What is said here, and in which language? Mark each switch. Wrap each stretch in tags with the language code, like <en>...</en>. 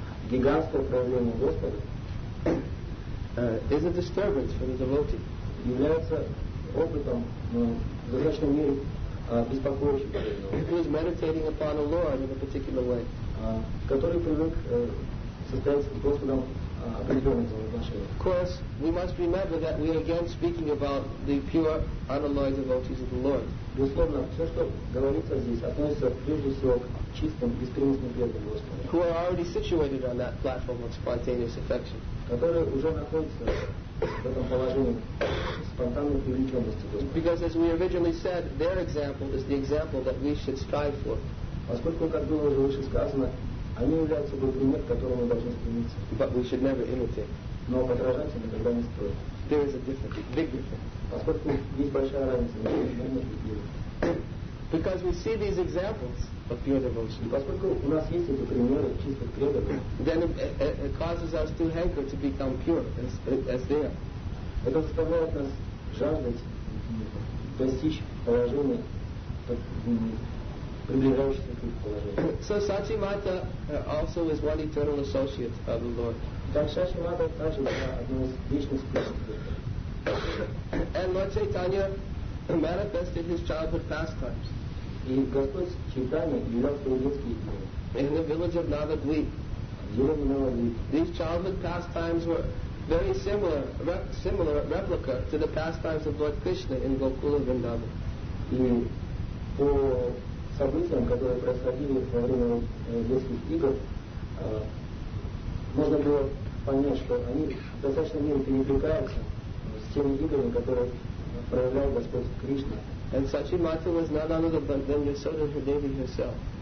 <ru>Гигантское проявление Господа</ru> <en>is a disturbance for the devotee.</en> <ru>Является опытом, в значительной мере беспокоящим для него.</ru> <en>He is meditating upon a Lord in a particular way.</en> <ru>Который привык состоять с Господом определенным взаимоотношениям.</ru> <en>Of course, we must remember that we are again speaking about the pure, unalloyed devotees of the Lord.</en> <ru>Безусловно, все, что говорится здесь, относится прежде всего к чистым, беспримесным преданным Господу.</ru> <en>Who are already situated on that platform of spontaneous affection.</en> <ru>Которые уже находятся в этом положении спонтанной привлеченности Господа.</ru> <en>Because as we originally said, their example is the example that we should strive for.</en> <ru>Поскольку, как было уже выше сказано, они являются собой пример, к которому мы должны стремиться.</ru> <en>But we should never imitate.</en> <ru>Но подражать им никогда не стоит.</ru> <en>There is a difference, a big difference.</en> <ru>Поскольку есть большая разница, мы должны стремиться.</ru> <en>Because we see these examples of pure devotion.</en> <ru>Поскольку у нас есть эти примеры чистых преданных.</ru> <en>Then it causes us to hanker to become pure as they are.</en> <ru>Это заставляет нас жаждать достичь положения, приближающегося к их положению.</ru> <en>So Sachi Mata also is one eternal associate of the Lord.</en> <ru>Так Сачи Мата также была одной из личных преданных.</ru> <en>And Lord Chaitanya manifested his childhood pastimes.</en> <ru>И Господь Чайтанья являлся его детские игры.</ru> <en>In the village of Navadvip.</en> <ru>В деревне Навадвип.</ru> <en>These childhood pastimes were very similar, similar replica to the pastimes of Lord Krishna in Gokula Vrindavan.</en> <ru>И по событиям, которые происходили во время детских игр, можно было понять, что они в достаточной мере перекликаются с теми играми, которые проявлял Господь Кришна.</ru> <en>And Sachi Mata was none other than Yasoda Devi herself.</en>